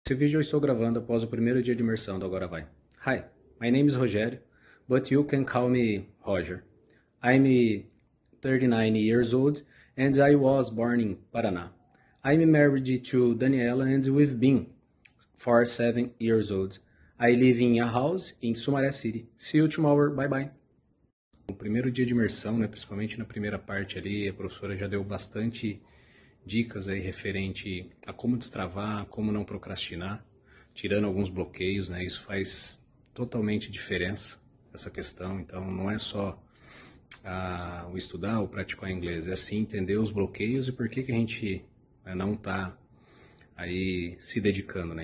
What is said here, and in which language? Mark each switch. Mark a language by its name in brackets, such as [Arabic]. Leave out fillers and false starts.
[Portuguese] Esse vídeo eu estou gravando após o primeiro dia de imersão do Agora Vai. [English] Hi, my name is Rogério, but you can call me Roger. I'm 39 years old and I was born in Paraná. I'm married to Daniela and we've been 47 years old. I live in a house in Sumaré City. See you tomorrow, bye bye. [Portuguese] O primeiro dia de imersão, né, principalmente na primeira parte ali, a professora já deu bastante dicas aí referente a como destravar, como não procrastinar, tirando alguns bloqueios, né? Isso faz totalmente diferença essa questão. Então, não é só o estudar ou praticar inglês, é sim entender os bloqueios e por que que a gente, né, não está aí se dedicando, né?